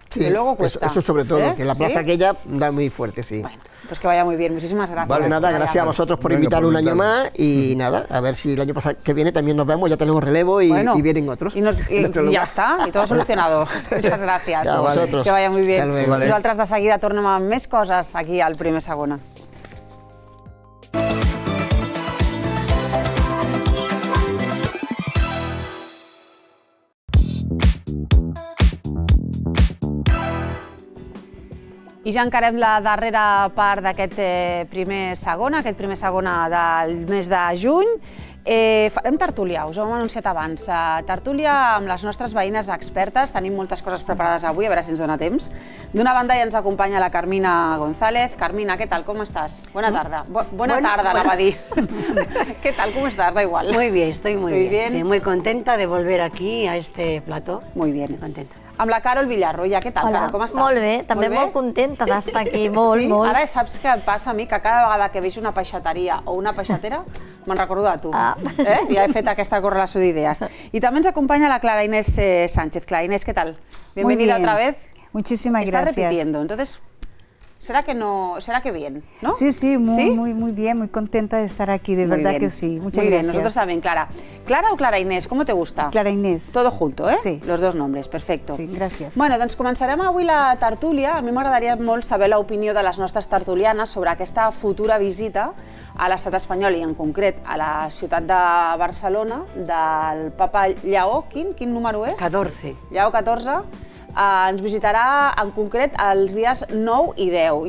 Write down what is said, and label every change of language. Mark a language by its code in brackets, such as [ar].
[es] sí, que luego cuesta. Eso sobre todo, que la plaza aquella da muy fuerte, sí. Bueno, pues que vaya muy bien, muchísimas gracias. Vale, nada, gracias a vosotros por invitar un año más y nada, a ver si el año pasado que viene también nos vemos, ya tenemos relevo y vienen otros. Y ya está, y todo solucionado. Muchas gracias. Ya, a vosotros. Que vaya muy bien. Vale. [ca] Nosotras de seguida tornem amb més coses aquí al Primer Segona. I ja encarem la darrera part d'aquest primer segona del mes de juny. Farem tertúlia, us ho hem anunciat abans. Tertúlia amb les nostres veïnes expertes. Tenim moltes coses preparades avui, a veure si ens dona temps. D'una banda ja ens acompanya la Carmina González. Carmina, què tal, com estàs? Bona tarda. Bona tarda. Anava a dir. Què tal, com estàs? [es] Da igual. Muy bien, estoy muy bien. Sí, muy contenta de volver aquí a este plató. Muy bien, contenta. [ca] Amb la Carol Villarroya, què tal, Carol, com estàs? Molt bé, també molt contenta d'estar aquí, molt, sí, molt. Ara saps què em passa a mi, que cada vegada que veig una peixateria o una peixatera, me'n recordo de tu, sí. Ja he fet aquesta correlació d'idees. I també ens acompanya la Clara Inés Sánchez. [es] Clara Inés, [ca] què tal? [es] Bienvenida otra vez. Muchísimas gracias. Está repitiendo, entonces, ¿será que no, será que bien, no? Sí, sí, muy bien, muy contenta de estar aquí, de verdad que sí. Muchas gracias. Muy bien, nosotros también, Clara. ¿Clara o Clara Inés? ¿Cómo te gusta? Clara Inés. Todo junto, ¿eh? Sí. Los dos nombres, perfecto. Sí, gracias. [ca] Bueno, doncs començarem avui la tertúlia. A mi m'agradaria molt saber l'opinió de les nostres tertulianes sobre aquesta futura visita a l'estat espanyol i en concret a la ciutat de Barcelona del papa Lleó. Quin número és? 14. Lleó 14. Ens visitarà en concret els dies 9 i 10.